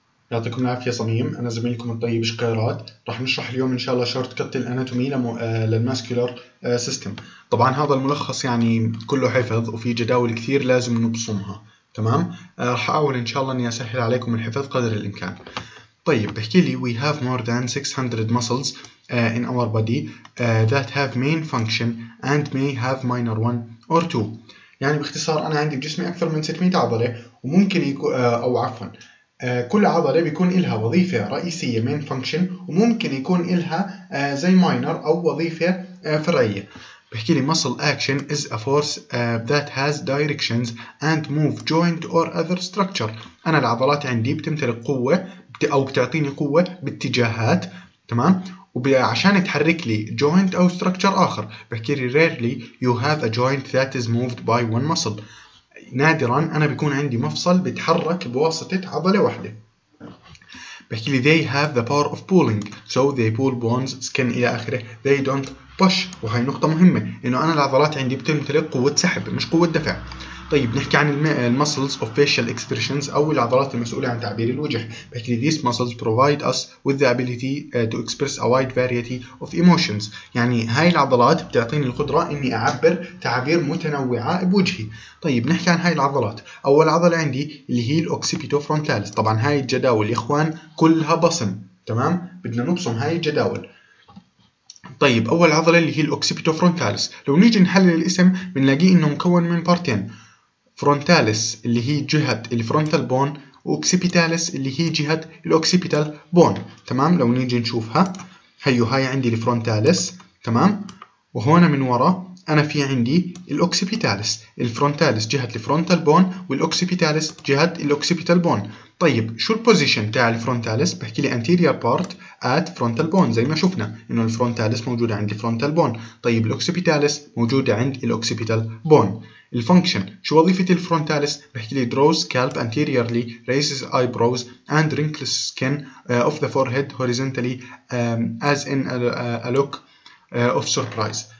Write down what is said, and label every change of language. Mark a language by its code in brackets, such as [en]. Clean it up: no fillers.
[ar] يعطيكم العافية صميم، أنا زميلكم الطيب شكيرات. راح نشرح اليوم إن شاء الله شورت كت الأناتومي للماسكولار سيستم. طبعا هذا الملخص يعني كله حفظ وفي جداول كثير لازم نبصمها، تمام؟ راح أحاول إن شاء الله إني أسهل عليكم الحفظ قدر الإمكان. طيب بحكي لي [en] we have more than 600 muscles in our body that have main function and may have minor one or two. [ar] يعني باختصار أنا عندي بجسمي أكثر من 600 عضلة وممكن يكون أو عفوا كل عضلة بيكون إلها وظيفة رئيسية main function وممكن يكون إلها زي minor أو وظيفة فرعية. بحكي لي [en] muscle action is a force that has directions and move joint or other structure. [ar] أنا العضلات عندي بتمتلك قوة أو بتعطيني قوة باتجاهات، تمام؟ وعشان يتحرك لي joint أو structure آخر. بحكي لي [en] rarely you have a joint that is moved by one muscle. [ar] نادراً أنا بيكون عندي مفصل بيتحرك بواسطة عضلة واحدة. بحكي لي [en] they have the power of pulling so they pull bones, skin [ar] إلى آخره. [en] They don't push. [ar] وهي نقطة مهمة إنه أنا العضلات عندي بتمتلك قوة سحب مش قوة دفع. طيب نحكي عن [en] muscles of facial expressions [ar] أو العضلات المسؤولة عن تعبير الوجه. بحكي لي [en] these muscles provide us with the ability to express a wide variety of emotions. [ar] يعني هاي العضلات بتعطيني القدرة إني أعبر تعابير متنوعة بوجهي. طيب نحكي عن هاي العضلات. أول عضلة عندي اللي هي الأوكسيبيتو فرونتاليس. طبعا هاي الجداول إخوان كلها بصم، تمام؟ بدنا نبصم هاي الجداول. طيب أول عضلة اللي هي الأوكسيبيتو فرونتاليس، لو نيجي نحلل الاسم بنلاقي إنه مكون من بارتين، فرونتاليس اللي هي جهة الفرونتال بون وأوكسيبيتاليس اللي هي جهة الأوكسيبيتال بون، تمام؟ لو نيجي نشوفها هيو هاي عندي الفرونتاليس، تمام؟ وهنا من وراء أنا في عندي الأوكسيبيتاليس. الفرونتاليس جهة الفرونتال بون والأوكسيبيتاليس جهة الأوكسيبيتال بون. طيب شو البوزيشن تاع الفرونتاليس؟ بحكي لي [en] anterior part at frontal bone [ar] زي ما شفنا إنه الفرونتاليس موجودة عند الفرونتال بون. طيب الأوكسيبيتاليس موجودة عند الأوكسيبيتال بون. الفانكشن شو وظيفة الفرونتاليس؟ بحكي لي [en] draws scalp anteriorly, raises eyebrows and wrinkles skin of the forehead horizontally as in a look of surprise.